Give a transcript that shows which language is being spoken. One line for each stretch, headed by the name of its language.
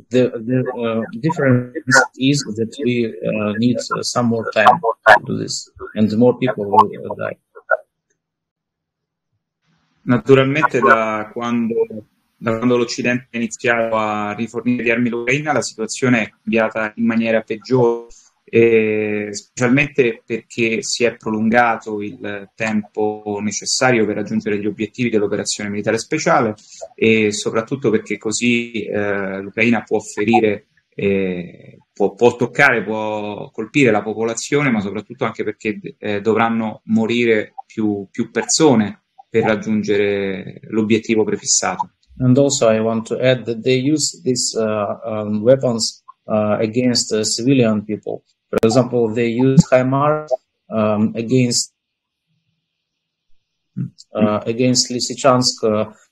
English: The difference is that we need some more time to do this, and more people will die.
Italian: Naturalmente, da quando l'Occidente ha iniziato a rifornire di armi all'Ucraina, la situazione è cambiata in maniera peggiore, specialmente perché si è prolungato il tempo necessario per raggiungere gli obiettivi dell'operazione militare speciale, e soprattutto perché così l'Ucraina può offrire, può toccare, può colpire la popolazione, ma soprattutto anche perché dovranno morire più persone per raggiungere l'obiettivo prefissato.
English: And also I want to add that they use these weapons against civilian people. For example, they use HIMARS against Lysychansk